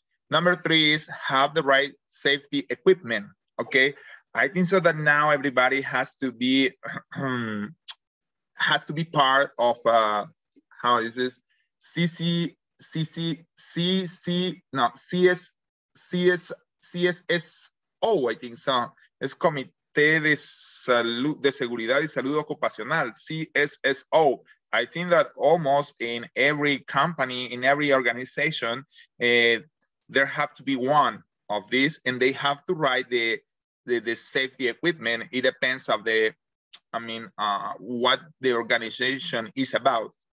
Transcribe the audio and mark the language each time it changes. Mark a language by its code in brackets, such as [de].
[en] Number three is have the right safety equipment. Okay, I think so that now everybody has to be has to be part of how is this CSSO, I think so. [es] Es Comité de Salud de Seguridad y Salud Ocupacional, CSSO. [en] I think that almost in every company, in every organization, there have to be one of these, and they have to write the safety equipment. It depends of the, what the organization is about.